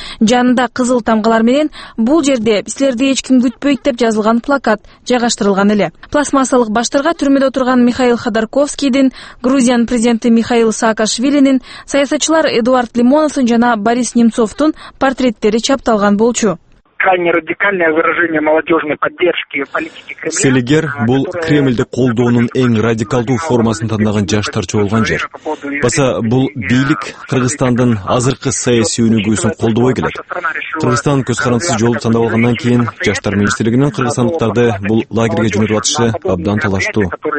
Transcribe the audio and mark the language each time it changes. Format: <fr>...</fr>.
<ky>Жанында кызыл тамгалар менен бул жерде силерди эч ким күтпөйт деп жазылган плакат жайгаштырылган эле. Пластмассалык баштарга түрмөдө отурган Михаил Ходорковскийдин, Грузиянын президенти Михаил Саакашвилинин, саясатчылар Эдуард Лимоновдун жана Борис Немцовдун портреттери чапталган болчу.</ky> <ru>Крайне радикальное выражение молодежной поддержки политики Кремля.</ru> <ky>Силигер бул Кремльде колдоонун эң радикалдуу формасын тандаган жаштар чогулган жер. Баса бул бийлик Кыргызстандын азыркы саясий өнүгүүсүн колдобой келет. Кыргызстан көз карандысыз жолду тандап алгандан кийин жаштар министрлигинин кыргызстандыктарды бул лагерге жөнөтүп атышы абдан талаштуу.</ky>